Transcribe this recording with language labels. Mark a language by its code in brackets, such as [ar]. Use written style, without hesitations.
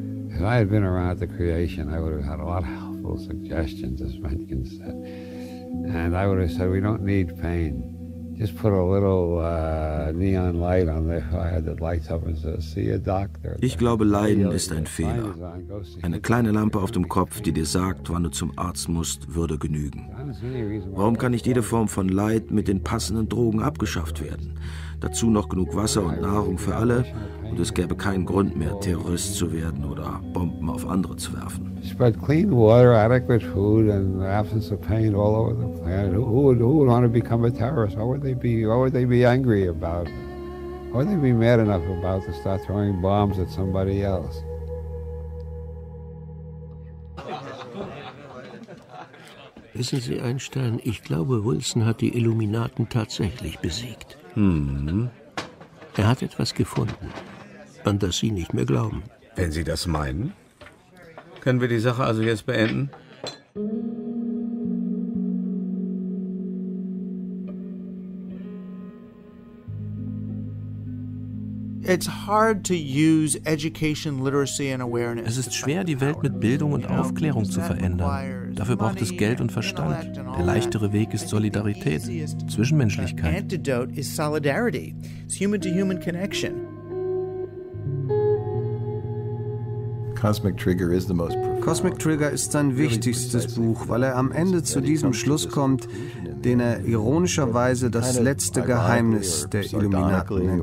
[en] If I had been around the creation, I would have had a lot of helpful suggestions, as Mencken said. And I would have said, we don't need pain. Just put a little neon light on the fire that lights up and says, see a doctor. [de] Ich glaube, Leiden ist ein Fehler. Eine kleine Lampe auf dem Kopf, die dir sagt, wann du zum Arzt musst, würde genügen. Warum kann nicht jede Form von Leid mit den passenden Drogen abgeschafft werden? Dazu noch genug Wasser und Nahrung für alle und es gäbe keinen Grund mehr, Terrorist zu werden oder Bomben auf andere zu werfen. [en] Spread clean water, adequate food and absence of pain all over the planet. Who would want to become a terrorist? What would they be angry about? What would they be mad enough about to start throwing bombs at somebody else? [de] Wissen Sie, Einstein, ich glaube, Wilson hat die Illuminaten tatsächlich besiegt. Er hat etwas gefunden, an das Sie nicht mehr glauben. Wenn Sie das meinen, können wir die Sache also jetzt beenden? [en] It's hard to use education, literacy and awareness. [de] Es ist schwer, die Welt mit Bildung und Aufklärung zu verändern. Dafür braucht es Geld und Verstand. Der leichtere Weg ist Solidarität, Zwischenmenschlichkeit. [en] The antidote is solidarity. It's human-to-human connection. [de] Cosmic Trigger ist sein wichtigstes Buch, weil er am Ende zu diesem Schluss kommt, den er ironischerweise das letzte Geheimnis der Illuminaten nennt.